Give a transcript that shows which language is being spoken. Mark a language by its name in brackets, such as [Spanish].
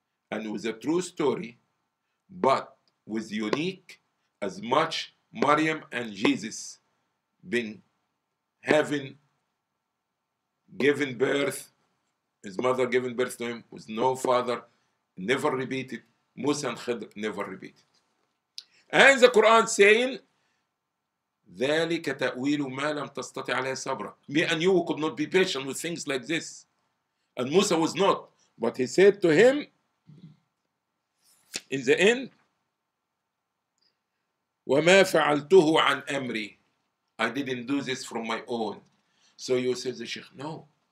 [English] And with a true story, but with unique as much Maryam and Jesus been having given birth, his mother given birth to him with no father, never repeated. Musa and Khidr never repeated. And the Quran saying, [Arabic] ذلك تأويل ما لم تستطع عليه صبرا. [English] Me and you could not be patient with things like this. And Musa was not. But he said to him, in the end, [Arabic] وَمَا فَعَلْتُهُ عَنْ أَمْرِي. [English] I didn't do this from my own. So you said the Sheikh, no.